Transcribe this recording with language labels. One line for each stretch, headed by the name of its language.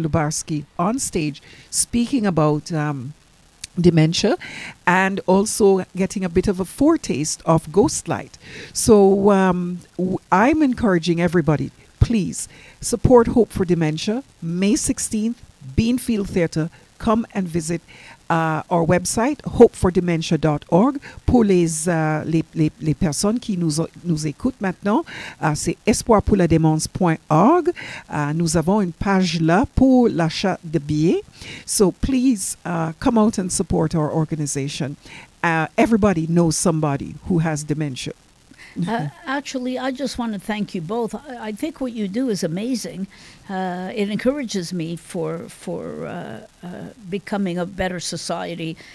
English: Lubarsky on stage speaking about dementia, and also getting a bit of a foretaste of Ghost Light. So I'm encouraging everybody, please support Hope for Dementia, May 16th, Beanfield Theatre. Come and visit our website, hopefordementia.org.
French: Pour les personnes qui nous écoutent maintenant, c'est espoirpourlademence.org. Nous avons une page là pour l'achat de billets.
English: So please come out and support our organization. Everybody knows somebody who has dementia. Actually, I just want to thank you both. I think what you do is amazing. It encourages me for becoming a better society.